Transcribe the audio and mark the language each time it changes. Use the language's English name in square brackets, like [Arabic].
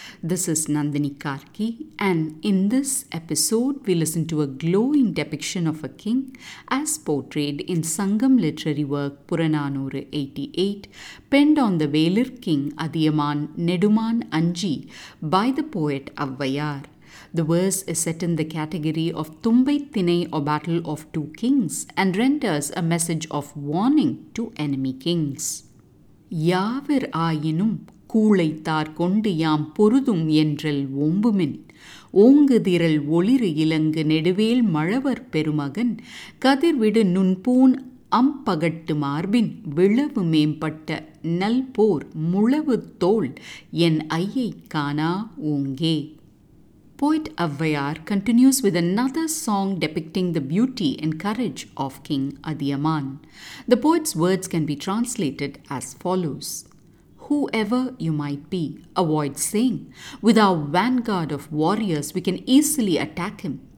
[English] This is Nandini Karki, and in this episode we listen to a glowing depiction of a king as portrayed in Sangam literary work Puranoru 88, penned on the Velir king Adiyaman Neduman Anji by the poet Avvayar. The verse is set in the category of Thumbai Thinai, or Battle of Two Kings, and renders a message of warning to enemy kings. [Tamil] யாவர் ஆயினும் கூளைத்தார் கொண்டு யாம் பொருதும் என்றல் ஓம்புமின் ஓங்குதிரல் ஒளிரு இலங்கு நெடுவேல் மழவர் பெருமகன் கதிர்விடு நுண்பூன் அம்பகட்டு மார்பின் விளவு மேம்பட்ட நல் போர் முழவு தோல் என் ஐயை காணா Onge. [English] Poet Avvayar continues with another song depicting the beauty and courage of King Adiyaman. The poet's words can be translated as follows. Whoever you might be, avoid saying, with our vanguard of warriors we can easily attack him.